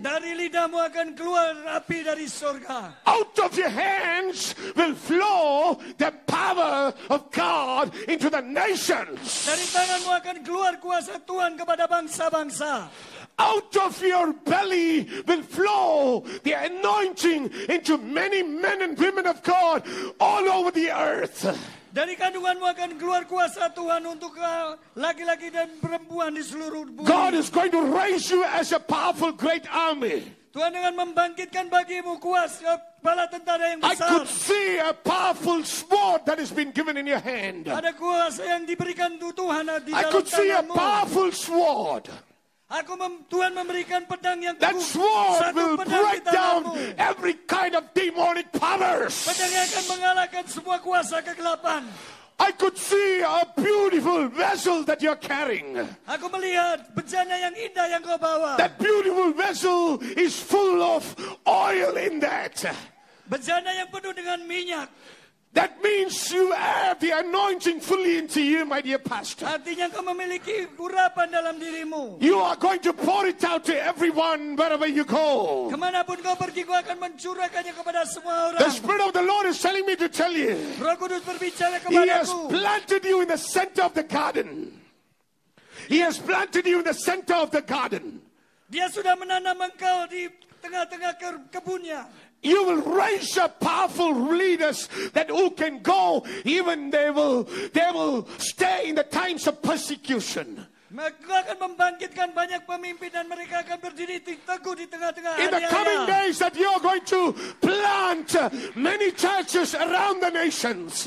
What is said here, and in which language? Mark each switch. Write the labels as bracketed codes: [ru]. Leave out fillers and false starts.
[id] Dari lidahmu akan keluar api dari surga. [en] Out of your hands will flow the power of God into the nations. [id] Dari tanganmu akan keluar kuasa Tuhan kepada bangsa-bangsa. [en] Out of your belly will flow the anointing into many men and women of God all over the earth. [id] Dari kandunganmu akan keluar kuasa Tuhan untuk laki-laki dan perempuan di seluruh bumi. [en] God is going to raise you as a powerful great army. [id] Tuhan akan membangkitkan bagimu kuasa bala tentara yang besar. [en] I could see a powerful sword that has been given in your hand. [id] Ada kuasa yang diberikan Tuhan di dalam tanganmu. [en] I could see a powerful sword. [id] Aku Tuhan memberikan pedang yang [en] kuat. That sword will break down every kind of demonic powers. [id] Pedang yang akan mengalahkan semua kuasa kegelapan. [en] I could see a beautiful vessel that you're carrying. [id] Aku melihat bejana yang indah yang kau bawa. [en] That beautiful vessel is full of oil in that. [id] Bejana yang penuh dengan minyak. [en] That means you have the anointing fully into you, my dear pastor. [id] Artinya kau memiliki urapan dalam dirimu. [en] You are going to pour it out to everyone wherever you go. [id] Kemanapun kau pergi, kau akan mencurahkannya kepada semua orang. [en] The Spirit of the Lord is telling me to tell you. [id] Roh Kudus berbicara kepadaku. [en] He has planted you in the center of the garden. He has planted you in the center of the garden. [id] Dia sudah menanam engkau di tengah-tengah kebunnya. [en] You will raise up powerful leaders that who can go, even they will stay in the times of persecution. [id] Mereka akan membangkitkan banyak pemimpin dan mereka akan berdiri teguh di tengah-tengah. [en] In the coming days that you are going to plant many churches around the nations.